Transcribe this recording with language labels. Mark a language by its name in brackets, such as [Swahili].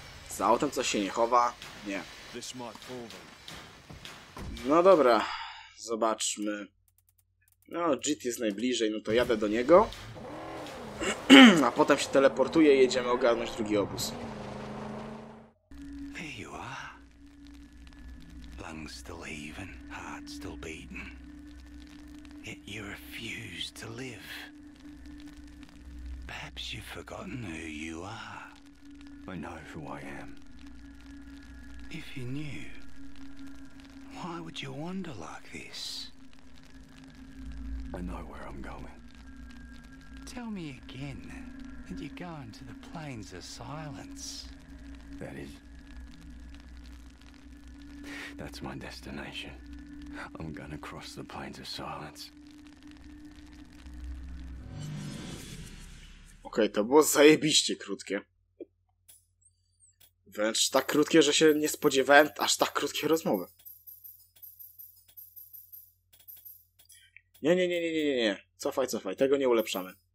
[Polish] Za autem coś się nie chowa. Nie. No dobra, zobaczmy. No, JIT jest najbliżej, no to jadę do niego. A potem się teleportuje i jedziemy ogarnąć drugi obóz. [English] Lungs still even, heart still beating. Yet you refuse to live. Perhaps you've forgotten who you are. I know who I am. If you knew, why would you wander like this? I know where I'm going. Tell me again that you're going to the Plains of Silence. That is... That's my destination. I'm gonna cross the Plains of Silence. [Polish] Okej, to było zajebiście krótkie. Wręcz tak krótkie, że się nie spodziewałem aż tak krótkiej rozmowy. Nie. Cofaj. Tego nie ulepszamy.